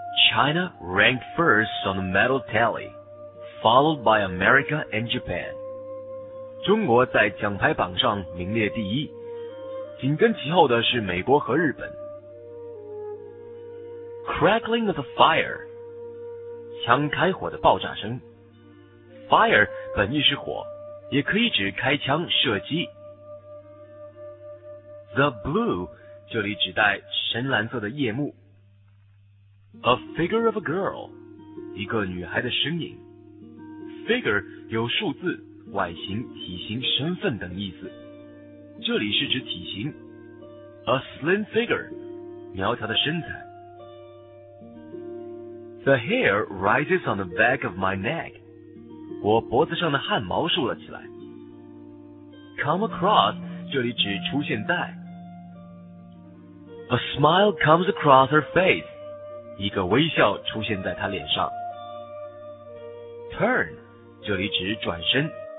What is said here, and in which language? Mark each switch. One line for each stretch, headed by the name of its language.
English: China ranked first on the medal tally, followed by America and Japan.
Chinese: 中国在奖牌榜上名列第一，紧跟其后的是美国和日本。
English: Crackling of the fire
Chinese: 枪开火的爆炸声。 Fire 本意是火，也可以指开枪射击。 The blue 这里指代深蓝色的夜幕。
English: A figure of a girl
Chinese: 一个女孩的身影。 Figure 有数字、外形、体型、身份等意思，这里是指体型。
English: A slim figure
Chinese: 苗条的身材。
English: The hair rises on the back of my neck.
Chinese: 我脖子上的汗毛竖了起来。
English: Come across
Chinese: 这里指出现在。
English: A smile comes across her face
Chinese: 一个微笑出现在她脸上。 Turn 这里指转身。